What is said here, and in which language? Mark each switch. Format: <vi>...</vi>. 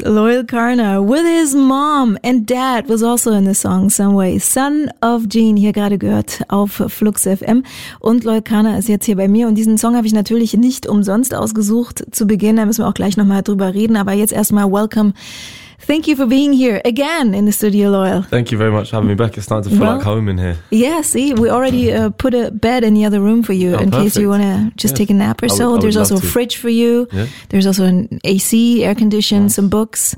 <en>Loyal Karna with his mom and dad was also in the song some way.</en> <de>Son of Jean, hier gerade gehört auf Flux FM. Und Loyal Karna ist jetzt hier bei mir. Und diesen Song habe ich natürlich nicht umsonst ausgesucht zu Beginn. Da müssen wir auch gleich nochmal drüber reden. Aber jetzt erstmal</de> <en>welcome. Thank you for being here again in the studio, Loyal. Thank you very much for having me back. It's starting to feel like home in here. Yeah, see, we already put a bed in the other room for you case you want to just take a nap or so. There's also a fridge for you. Yeah. There's also an AC, air conditioned, some books.</en>